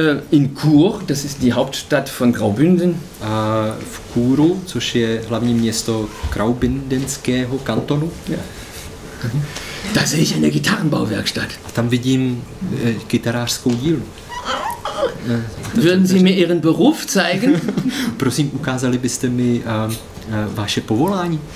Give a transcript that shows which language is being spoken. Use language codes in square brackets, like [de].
[de] In Chur, das ist die Hauptstadt von Graubünden. [cs] V Churu, což je hlavní město Graubündenského kantonu. [de] Ja. Da sehe ich eine Gitarrenbauwerkstatt. [cs] A tam vidím kytarářskou dílnu. [de] Würden Sie mir Ihren Beruf zeigen? [cs] Prosím, ukázali byste mi vaše povolání?